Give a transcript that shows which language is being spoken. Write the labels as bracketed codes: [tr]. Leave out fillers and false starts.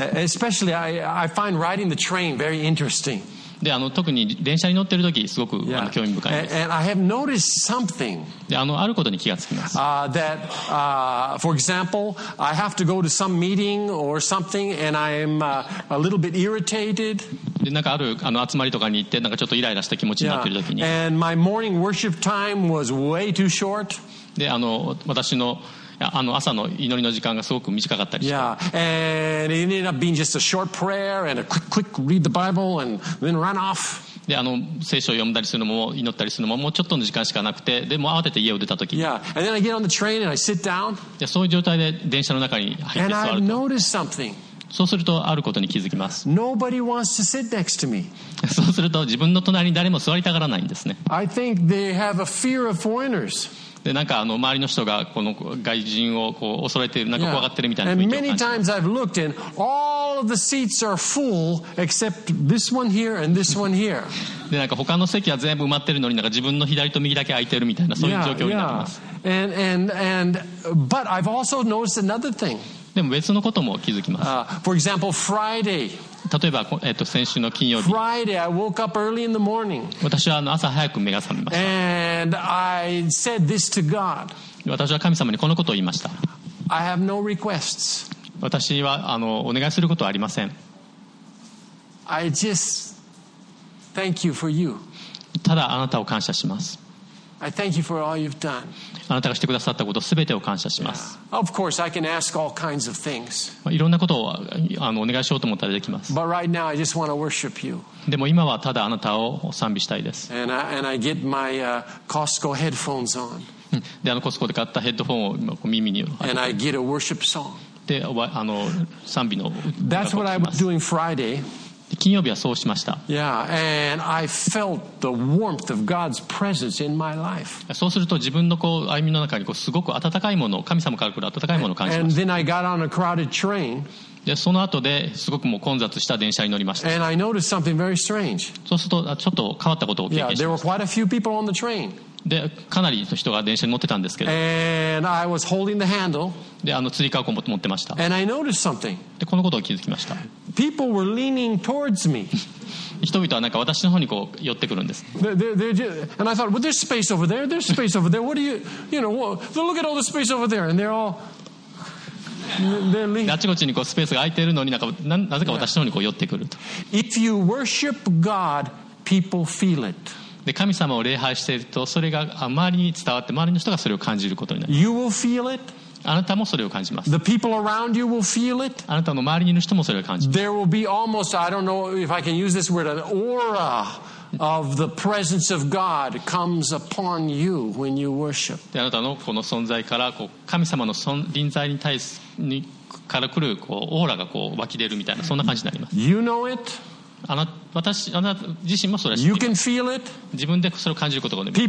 [en] Especially I find riding the train very interesting. [ja] で、あの、特に電車に乗ってる時すごく、yeah. あの興味深いです。 [en] And I have noticed something. [ja] で、あの、あることに気がつきます。 [en] That, for example, I have to go to some meeting or something and I am a little bit irritated. [ja] で、なんかある、あの、集まりとかに行って、なんかちょっとイライラした気持ちになってる時に。 [en] Yeah. And my morning worship time was way too short. [ja] で、あの、私の、あの朝の祈りの時間がすごく短かったりして、 [en] yeah. and it ended up being just a short prayer and a quick read the Bible and then run off. [ja] で、あの聖書を読んだりするのも祈ったりするのももうちょっとの時間しかなくて、でも慌てて家を出た時、 [en] yeah. and then I get on the train and I sit down. [ja] で、そういう状態で電車の中に入って座ると、 [en] and I notice something. [ja] そうするとあることに気づきます。 [en] Nobody wants to sit next to me. [ja] そうすると自分の隣に誰も座りたがらないんですね。 [en] I think they have a fear of foreigners. [ja] で、なんかあの周りの人がこの外人をこう恐れている、なんか怖がってるみたいな雰囲気を感じます。 [en] Many times I've looked and all of the seats are full except this one here and this one here. [ja] で、なんか他の席は全部埋まってるのに、なんか自分の左と右だけ空いてるみたいなそういう状況になります。 [en] And but I've also noticed another thing. [ja] でも別のことも気づきます。 [en] For example, Friday. [ja] 例えば、先週の金曜日。 [en] Friday, I woke up early in the morning. [ja] 私はあの朝早く目が覚めました。 [en] And I said this to God. [ja] 私は神様にこのことを言いました。 [en] I have no requests. [ja] 私はあのお願いすることはありません。 [en] I just thank you for you. [ja] ただあなたを感謝します。 [en] I thank you for all you've done. [ja] あなたがしてくださったことすべてを感謝します。 [en] Yeah. Of course, I can ask all kinds of things. [ja] いろんなことをあのお願いしようと思ったらできます。 [en] But right now, I just want to worship you. [ja] でも今はただあなたを賛美したいです。 [en] And I get my Costco headphones on. [ja] で、あのコスコで買ったヘッドフォンを今こう耳に。 [en] And I get a worship song. [ja] で、あの賛美の。 [en] That's what I was doing Friday. [ja] 金曜日はそうしました。 [en] Yeah, and I felt the warmth of God's presence in my life. [ja] そうすると自分のこう歩みの中にこうすごく温かいもの、神様から来る温かいものを感じました。 [en] And then I got on a crowded train. [ja] で、その後ですごくもう混雑した電車に乗りました。 [en] And I noticed something very strange. [ja] そうするとちょっと変わったことを経験しました。 [en] Yeah, there were quite a few people on the train. [ja] で、かなりの人が電車に乗ってたんですけど。 [en] And I was holding the handle. [ja] で、あの、釣りカーコンも持ってました。 [en] And I noticed something. [ja] で、このことを気づきました。 [en] People were leaning towards me. [ja] 人々はなんか私の方にこう寄ってくるんです。 [en] And I thought, well, there's space over there, there's space over there. What do you, you know, well, look at all the space over there. And they're all... [ja] あちこちにこうスペースが空いているのに、なぜか私の方にこう寄ってくると。 [en] If you worship God, people feel it. [ja] で、神様を礼拝していると、それが周りに伝わって、周りの人がそれを感じることになります。 [en] You will feel it. [ja] あなたもそれを感じます。 [en] The people around you will feel it. [ja] あなたの周りにいる人もそれを感じます。 [en] There will be almost, I don't know if I can use this word, an aura of the presence of God comes upon you when you worship. [ja] で、あなたのこの存在からこう神様の臨在に対するから来るこうオーラがこう湧き出るみたいな、そんな感じになります。 [en] You know it. [ja] あなた自身もそれを知っています。自分でそれを感じることができる。